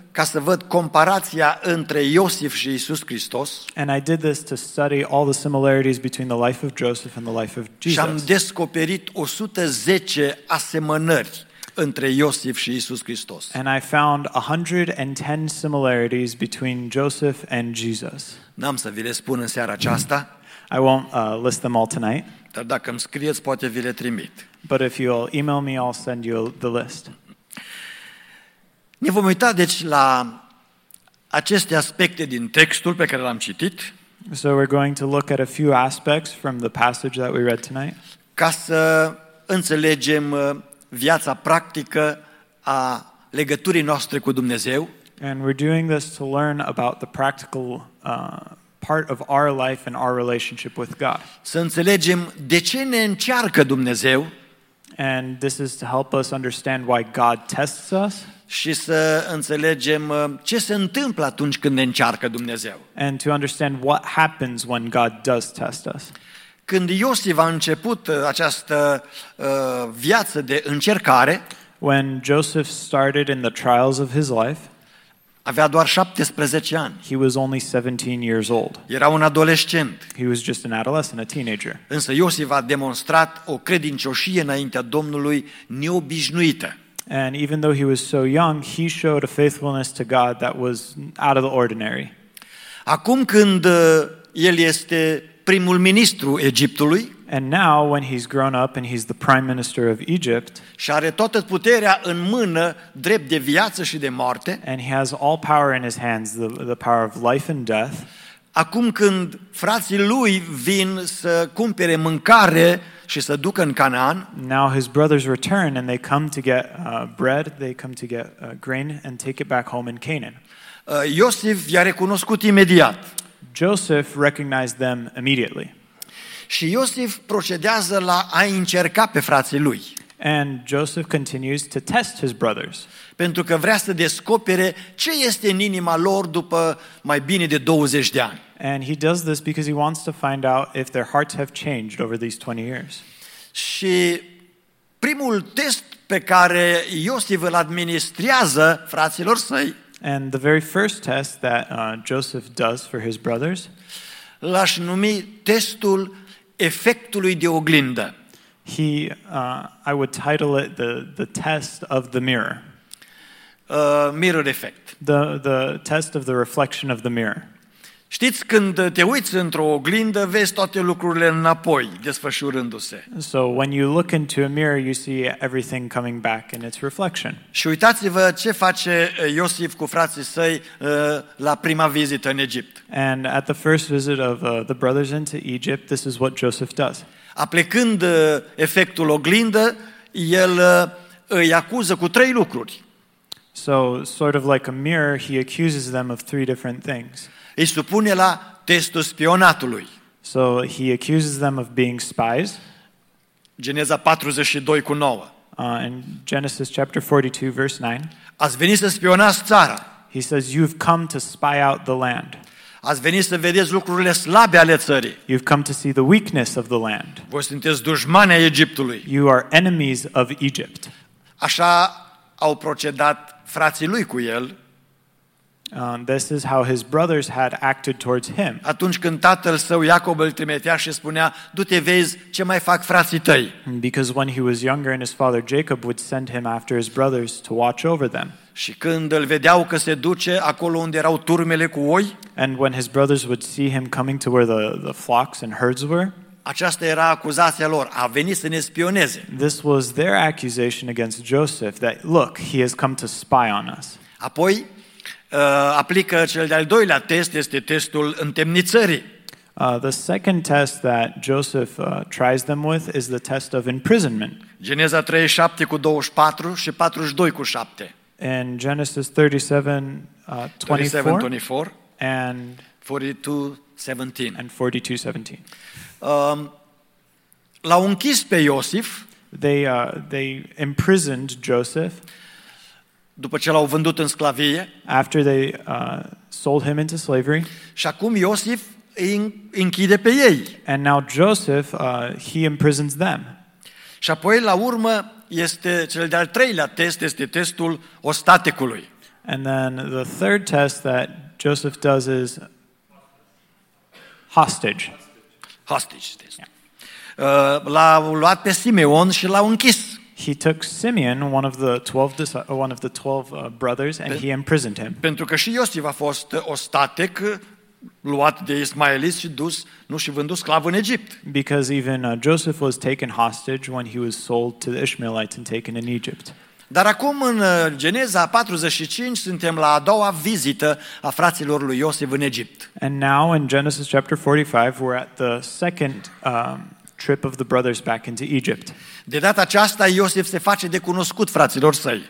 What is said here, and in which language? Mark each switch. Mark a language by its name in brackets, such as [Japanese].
[Romanian] Ca să văd comparația între Iosif și Isus Hristos. [English] And I did this to study all the similarities between the life of Joseph and the life of Jesus. [Romanian] Și am descoperit 110 asemănări între Iosif și Isus Hristos. [English] And I found 110 similarities between Joseph and Jesus. [Romanian] N-am să vi le spun în seara aceasta. [English] I won't list them all tonight. [Romanian] Dar dacă îmi scrieți, poate vi le trimit. [English] But if you'll email me, I'll send you the list. [Romanian] Ne vom uita deci la aceste aspecte din textul pe care l-am citit. [English] So we're going to look at a few aspects from the passage that we read tonight. [Romanian] Ca să înțelegem viața practică a legăturii noastre cu Dumnezeu. [English] And we're doing this to learn about the practical part of our life and our relationship with God. [Romanian] Să înțelegem de ce ne încearcă Dumnezeu. [English] And this is to help us understand why God tests us. [Romanian] Și să înțelegem ce se întâmplă atunci când ne încearcă Dumnezeu. [English] And to understand what happens when God does test us. [Romanian] Când Iosif a început această viață de încercare, [English] When Joseph started in the trials of his life, [Romanian] avea doar 17 ani. [English] He was only 17 years old. [Romanian] Era un adolescent. [English] He was just an adolescent, a teenager. [Romanian] Însă Iosif a demonstrat o credincioșie înaintea Domnului neobișnuită. [English] And even though he was so young, he showed a faithfulness to God that was out of the ordinary. [Romanian] Acum când el este primul ministru Egiptului, [English] and now when he's grown up and he's the prime minister of Egypt, [Romanian] și are toată puterea în mână, drept de viață și de moarte, [English] and he has all power in his hands, the power of life and death. [Romanian] Acum când frații lui vin să cumpere mâncare și să ducă în Canaan, [English] now his brothers return and they come to get bread, they come to get grain and take it back home in Canaan. [Romanian] Iosif i-a recunoscut imediat. [English] Joseph recognized them immediately. [Romanian] Și Iosif procedează la a încerca pe frații lui. [English] And Joseph continues to test his brothers. [Romanian] Pentru că vrea să descopere ce este în inima lor după mai bine de 20 de ani. [English] And he does this because he wants to find out if their hearts have changed over these 20 years. [Romanian] Și primul test pe care Iosif îl administrează fraților săi, [English] and the very first test that Joseph does for his brothers, [Romanian] l-aș numi testul efectului de oglindă. [English] I would title it the test of the mirror. Mirror effect. The test of the reflection of the mirror. [Romanian] Știți, când te uiți într-o oglindă, vezi toate lucrurile înapoi, desfășurându-se. [English] So when you look into a mirror, you see everything coming back in its reflection. [Romanian] Și uitați-vă ce face Iosif cu frații săi la prima vizită în Egipt. [English] And at the first visit of the brothers into Egypt, this is what Joseph does. [Romanian] Aplicând efectul oglindă, el îi acuză cu trei lucruri. [English] So sort of like a mirror, he accuses them of three different things. [Romanian] Îi supune la testul spionatului. [English] So he accuses them of being spies. [Romanian] Geneza 42:9. [English] In Genesis chapter 42 verse 9. [Romanian] Ați venit să spionați țara. [English] He says you've come to spy out the land. [Romanian] Ați venit să vedeți lucrurile slabe ale țării. [English] You've come to see the weakness of the land. [Romanian] Voi sunteți dușmani ai Egiptului. [English] You are enemies of Egypt. [Romanian] Așa au procedat frații lui cu el. [English] This is how his brothers had acted towards him. [Romanian] Atunci când tatăl său Iacob îl trimitea și spunea, du-te vezi ce mai fac frații tăi. [English] Because when he was younger and his father Jacob would send him after his brothers to watch over them. [Romanian] Și când îl vedeau că se duce acolo unde erau turmele cu oi, [English] and when his brothers would see him coming to where the flocks and herds were, [Romanian] aceasta era acuzația lor, a venit să ne spioneze. [English] This was their accusation against Joseph, that look, he has come to spy on us. [Romanian] Apoi aplică cel de-al doilea test, este testul întemnițării. [English] The second test that Joseph tries them with is the test of imprisonment. [Romanian] Geneza 37:24 și 42:7. [English] In Genesis 37:24 and 42:17. [Romanian] L-au închis pe Iosif. [English] They imprisoned Joseph. [Romanian] După ce l-au vândut în sclavie, [English] after they sold him into slavery, [Romanian] și acum Iosif îi închide pe ei. [English] And now Joseph he imprisons them. [Romanian] Și apoi la urmă este cel de-al treilea test, este testul ostatecului. [English] And then the third test that Joseph does is hostage. Hostage test. [Romanian] L-au luat pe Simeon și l-au închis. [English] He took Simeon, one of the 12 brothers, and he imprisoned him. [Romanian] Pentru că și Iosif a fost ostatec, luat de ismaeliți și dus, nu și vândut sclav în Egipt. [English] Because even Joseph was taken hostage when he was sold to the Ishmaelites and taken in Egypt. [Romanian] Dar acum în Geneza 45 suntem la a doua vizită a fraților lui Iosif în Egipt. [English] And now in Genesis chapter 45 we're at the second trip of the brothers back into Egypt. [Romanian] De data aceasta Iosif se face de cunoscut fraților săi.